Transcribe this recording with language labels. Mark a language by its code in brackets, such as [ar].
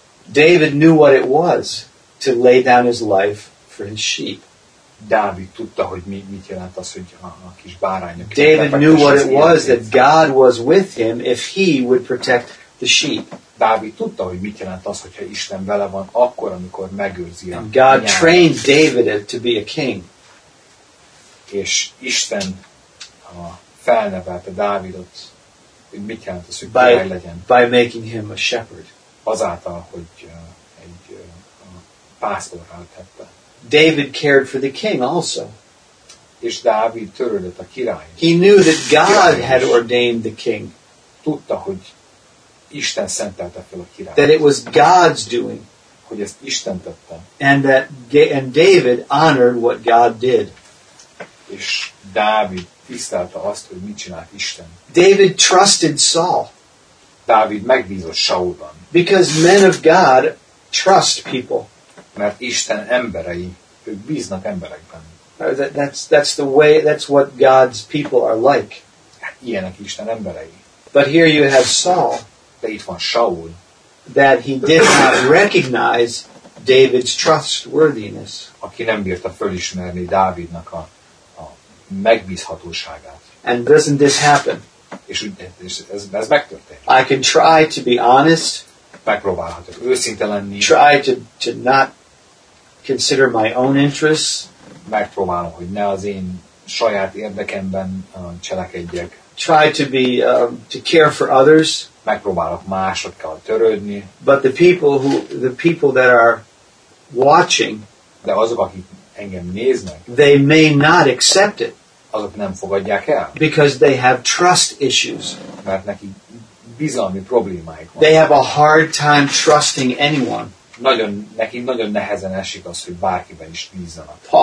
[en] David knew what it was to lay down his life for his sheep. [hu] Dávid tudta, hogy mit jelent az, hogy a kis bárányok. [en] David knew what it was that God was with him if he would protect the sheep. [hu] Dávid tudta, hogy mit jelent az, hogyha Isten vele van akkor, amikor megőrzi a nyájat. [en] God trained David to be a king. [hu] És Isten felnevelte Dávidot, hogy mit jelent az, hogy király legyen. [en] By making him a shepherd. [hu] Azáltal, hogy egy pásztorrá tette. [en] David cared for the king also. [hu] És Dávid törődött a királyért. [en] He knew that God had ordained the king. [hu] Tudta, hogy Isten szentelte fel a királyt. [en] That it was God's doing. [hu] Hogy ezt Isten tette. [en] And David honored what God did. [hu] És Dávid tisztelte azt, hogy mit csinált Isten. [en] David trusted Saul. [hu] Dávid megbízott Saulban. [en] Because men of God trust people. [hu] Mert Isten emberei, ők bíznak emberekben. [en] That's the way, that's what God's people are like. [hu] Ilyenek Isten emberei. [en] But here you have Saul. [hu] De itt van Saul. [en] That he did not recognize David's trustworthiness. [hu] Aki nem bírta fölismerni Dávidnak a megbízhatóságát. [en] And doesn't this happen? [hu] És ez megtörtént. [en] I can try to be honest. [hu] Megpróbálhatok őszinte lenni. [en] Try to not consider my own interests. [hu] Megpróbálom, hogy ne az én saját érdekemben cselekedjek. [en] Try to be to care for others. [hu] Megpróbálok másokkal törődni. [en] But the people that are watching, [hu] de azok, akik engem néznek, [en] they may not accept it. [hu] Azok nem fogadják el. [en] Because they have trust issues. [hu] Mert neki bizalmi problémáik van. [en] They have a hard time trusting anyone. [hu] Nagyon nehezen esik az, hogy bárkiben is bízzanak.